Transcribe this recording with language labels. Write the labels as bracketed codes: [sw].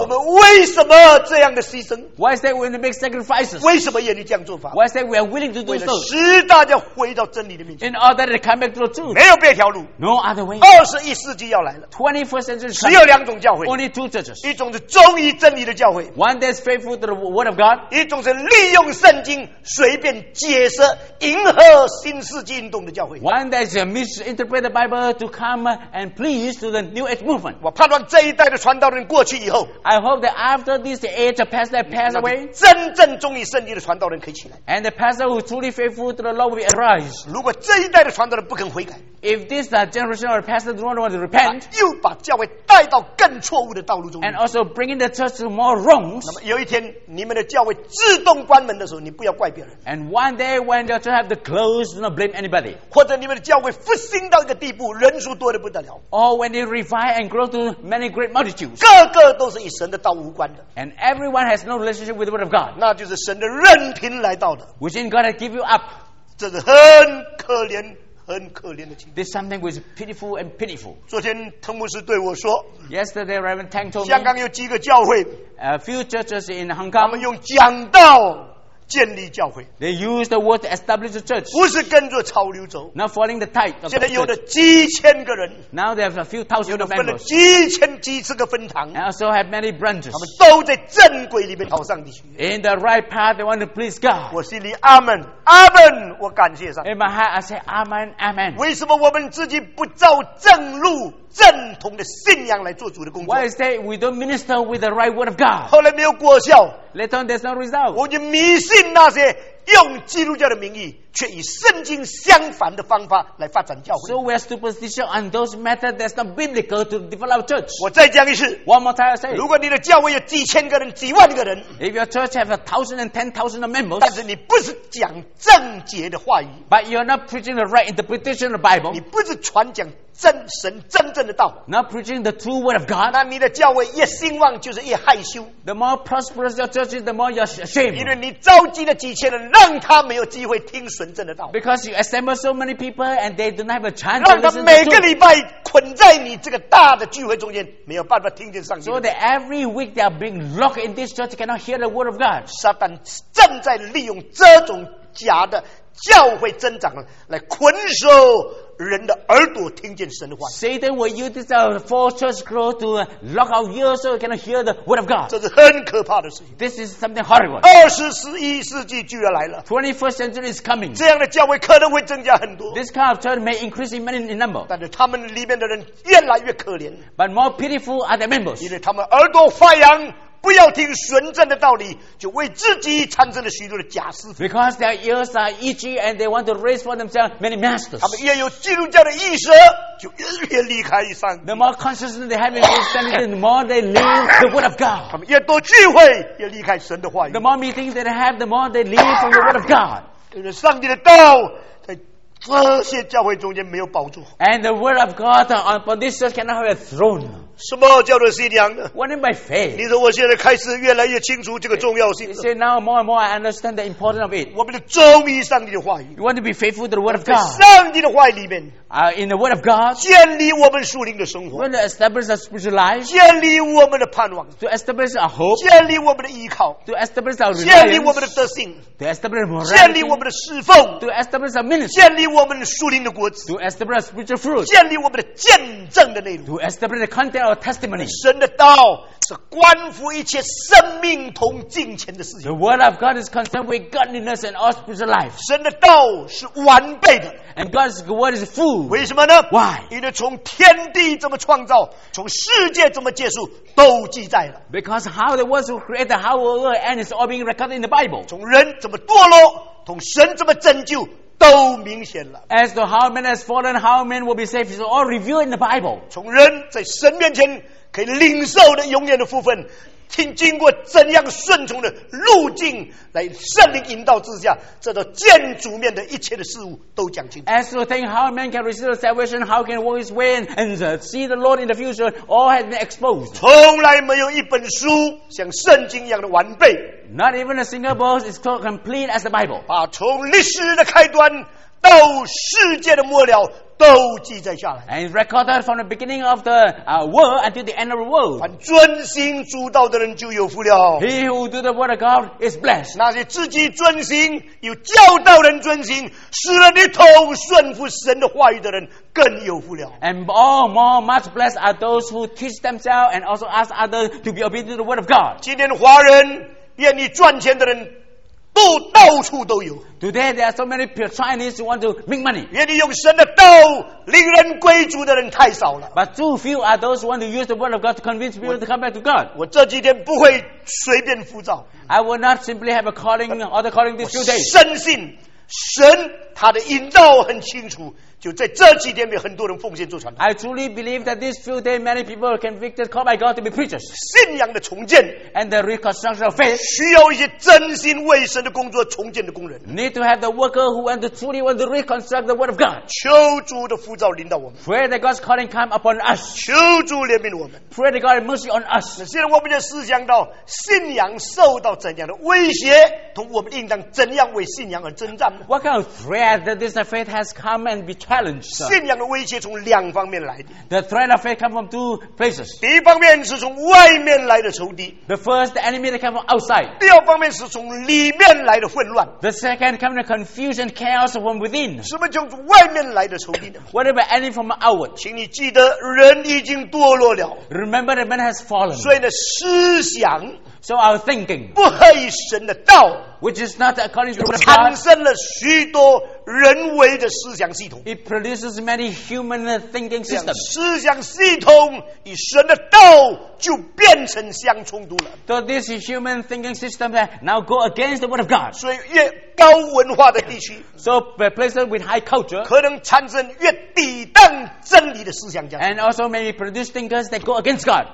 [zh] 我们为什么这样的牺牲 [en] ？Why is that we need to make sacrifices？ [zh] 为什么愿意这样做法 [en] ？Why is that we are willing to do so？ [zh] 为了使大家回到真理的面前 [en] ，In order to come back to the truth， [zh] 没有别条路 [en] ，No other way。 21st century [zh] 要来了 [en] ，21st century [zh] 只有两种教会 [en] ，Only two churches， [zh] 一种是忠于真理的教会 [en] ，One that is faithful to the word of God， [zh] 一种是利用圣经随便解释迎合新世纪运动的教会 [en] ，One that is misinterpret the Bible to come and please to the New Age movement。 [zh] 我盼望这一代的传道人过去以后 [en] I hope that after this age pastor pass away [zh] 真正忠于圣经的传道人可以起来 [en] And the pastor who truly faithful to the Lord will arise [zh] 如果这一代的传道人不肯悔改 [en] If this generation of pastors don't want to repent [zh] 又把教会带到更错误的道路中 [en] And also bringing the church to more wrongs [zh] 那么有一天你们的教会自动关门的时候你不要怪别人 [en] And one day when your church have to close do not blame anybody [zh] 或者你们的教会复兴到一个地步人数多得不得了 [en] Or when they revive and grow to many great multitudes [zh] 各个都是与神的道无关的 [en] and everyone has no relationship with the word of God [zh] 那就是神的任凭来到的 [en] which in God has given you up [zh] 这是很可怜很可怜的情况 [en] this is something which is pitiful and pitiful [zh] 昨天藤牧师对我说 [en] yesterday Reverend Tang told me [zh] 香港有几个教会 [en] a few churches in Hong Kong [zh] 他们用讲道建立教会。 [en] They use the word to establish the church. [zh] 不是跟着潮流走。 [en] Not following the tide. [zh] 现在有的几千个人。 [en] Now they have a few thousand members. [zh] 有的分了几千几十个分堂。 [en] And also have many branches. [zh] 他们都在正轨里面朝上帝去。 [en] In the right path, they want to please God. [zh] 我心里阿门，阿门，我感谢上帝。 [en] In my heart, I say, Amen, Amen. [zh] 为什么我们自己不照正路？正统的信仰来做主的工作。 [en] Why is that we don't minister with the right word of God? [zh] 后来没有果效。 [en] Later on, there's no result. [zh] 我就迷信那些用基督教的名义，却以圣经相反的方法来发展教会。 [en] So we're superstitious on those methods that's not biblical to develop church. [zh] 我再讲一次。 [en] One more time, I say. [zh] 如果你的教会有几千个人、几万个人 [en] ，If your church have a thousand and ten thousand members， [zh] 但是你不是讲正解的话语 [en] ，But you're not preaching the right interpretation of the Bible， [zh] 你不是传讲。真神真正的道 [en] Not preaching the true word of God [zh] 那你的教会越兴旺就是越害羞 [en] The more prosperous your church is the more you're ashamed [zh] 因为你召集了几千人让他没有机会听神真的道 [en] Because you assemble so many people and they don't have a chance [zh] 让他每个礼拜捆在你这个大的聚会中间没有办法听见上帝 [en] So that every week they are being locked in this church cannot hear the word of God [zh] Satan 正在利用这种假的教会增长来捆守人的耳朵听见神的话 [en] Satan will use this false church growth to lock our ears so we cannot hear the word of God [zh] 这是很可怕的事情 [en] This is something horrible [zh] 21世纪就要来了 [en] 21st century is coming [zh] 这样的教会可能会增加很多 [en] This kind of church may increase in many in number [zh] 但是他们里面的人越来越可怜 [en] But more pitiful are the members [zh] 因为他们耳朵发痒不要听纯正的道理，就为自己产生了许多的假师傅。 [en] Because their ears are itchy and they want to raise for themselves many masters. [zh] 他们越有基督教的意识，就越离开上帝。 [en] The more consciousness they have in understanding, the more they leave the word of God. [zh] 他们越多聚会，越离开神的话语。 [en] The more meetings they have, the more they leave from the word of God. [zh] 就是上帝的道在这些教会中间没有保住。 [en] And the word of God upon this church cannot have a throne. [zh] 什么叫做信仰呢 [en] ？What is my faith？ [zh] 你说我现在开始越来越清楚这个重要性了。 [en] You say now more and more I understand the importance of it。 [zh] 我们要忠于上帝的话语。 [en] You want to be faithful to the word of God。 [zh] 上帝的话语里面。 [en] In the word of God。 [zh] 建立我们属灵的生活。 [en] We want to establish our spiritual life。 [zh] 建立我们的盼望。 [en] To establish our hope。 [zh] 建立我们的依靠。 [en] To establish our reliance。 [zh] 建立我们的德性。 [en] To establish morality。 [zh] 建立我们的侍奉。 [en] To establish our ministry。 [zh] 建立我们的属灵的果子。 [en] To establish our spiritual fruit。 [zh] 建立我们的见证的内容。 [en] To establish the content。 Our testimony. [zh] 神的道是关乎一切生命同金钱的事情。 [en] The word of God is concerned with godliness and all spiritual life. [zh] 神的道是完备的。 [en] And God's word is full. [zh] 为什么呢 [en] ？Why? [zh] 因为从天地怎么创造，从世界怎么结束，都记载了。 [en] Because how the world was created, how the world ends, it's all being recorded in the Bible. [zh] 从人怎么堕落，从神怎么拯救。都明显了。 [en] As to how man has fallen, how man will be saved is all revealed in the Bible. [zh] 从人在神面前可以领受的永远的福分，经过怎样顺从的路径来圣灵引导之下，这都见主面的一切的事物都讲清楚。 [en] As to think how man can receive salvation, how can walk his way and see the Lord in the future, all has been exposed. [zh] 从来没有一本书像圣经一样的完备。 [en] Not even a single book is so complete as the Bible. [zh] 把从历史的开端到世界的末了都记载下来。 [en] And recorded from the beginning of the world until the end of the world. [zh] 凡遵行主道的人就有福了。 [en] He who do the word of God is blessed. [zh] 那些自己遵行有教导人遵行使人一同顺服神的话语的人更有福了。 [en] And all more much blessed are those who teach themselves and also ask others to be obedient to the word of God. [zh] 今天华人愿意赚钱的人都到处都有。 [en] Today there are so many Chinese who want to make money. [zh] 愿意用神的道令人归主的人太少了。 [en] But too few are those who want to use the word of God to convince people to come back to God. [zh] 我这几天不会随便浮躁。 [en] I will not simply have a calling or the calling this few days. [zh] 我深信神他的引导很清楚。就在这几天里很多人奉献做传道 [en] I truly believe that these few days many people are convicted called by God to be preachers [zh] 信仰的重建 [en] and the reconstruction of faith [zh] 需要一些真心为神的工作重建的工人 [en] need to have the worker who want to truly want to reconstruct the word of God [zh] 求主的呼召临到我们 [en] pray that God's calling come upon us [zh] 求主怜悯我们 [en] pray that God have mercy on us [zh] 现在我们就思想到信仰受到怎样的威胁同我们应当怎样为信仰而征战 [en] What kind of threat that this faith has come and be challenged? [zh] 信仰的威胁从两方面来的。 [en] The threat of faith comes from two places. [zh] 第一方面是从外面来的仇敌。 [en] The first, the enemy that comes from outside. [zh] 第二方面是从里面来的混乱。 [en] The second comes from confusion, chaos from within. [zh] 什么叫从外面来的仇敌呢？ [en] What about any from outward? [zh] 请你记得，人已经堕落了。 [en] Remember that man has fallen. [zh] 所以呢，思想。 [en] So our thinking, [zh] 不合于神的道, [en] which is not according to the word of [zh] God, 产生了许多人为的思想系统。 [en] It produces many human thinking systems. [zh] 思想系统与神的道就变成相冲突了。 [en] So this human thinking system now go against the word of God. [zh] 所以越高文化的地区, [en] so places with high culture, [zh] 可能产生越抵挡真理的思想家。 [en] And also maybe produce thinkers that go against God.